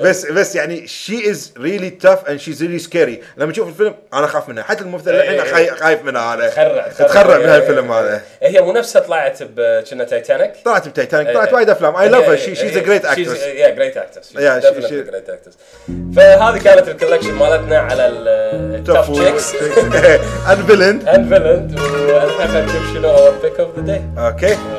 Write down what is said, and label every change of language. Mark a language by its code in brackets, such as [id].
[en] بس يعني she is really tough and she's really scary. [ar] لما تشوف الفيلم أنا خاف منها, حتى الممثل الحين خايف منها. تخرع من هالفيلم هذا. هي مو نفسها طلعت بكنا تايتانيك. طلعت بتايتانيك, طلعت وايد أفلام. [en] I love her, she's a great actress. Yeah, great actress. Yeah, she's a great actress. [ar] فهذه كانت الكولكشن مالتنا على التوف تشيكس [en] And فيلند and فيلند. [ar] ونتمنى تشوف شنو هو البيك اوف ذا داي. اوكي